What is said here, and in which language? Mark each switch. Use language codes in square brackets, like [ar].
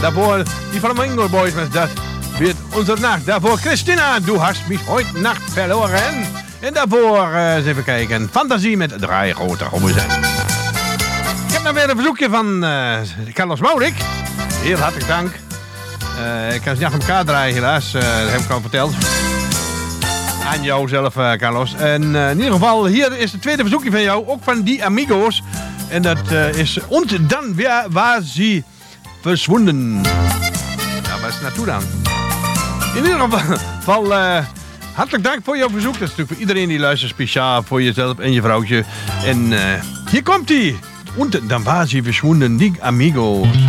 [nl] Daarvoor die Flamingo Boys met [de] Das wird unser Nacht. Daarvoor Christina, du hast mich heute Nacht verloren. [nl] En daarvoor eens even kijken. Fantasie met Drei grote Hommelzijn. Ik heb nog weer een verzoekje van Carlos Maurik. Heel hartelijk dank. Ik kan ze niet achter elkaar draaien, helaas. Dat heb ik al verteld. Aan jou zelf, Carlos. En in ieder geval, hier is het tweede verzoekje van jou. Ook van die amigos. En dat is [de] Und dann wer war sie verschwunden. [nl] Ja, waar is het naartoe dan? In ieder geval, hartelijk dank voor jouw verzoek. Dat is natuurlijk voor iedereen die luistert. Speciaal voor jezelf en je vrouwtje. En hier komt ie. [de] Und dann war sie verschwunden, die amigos.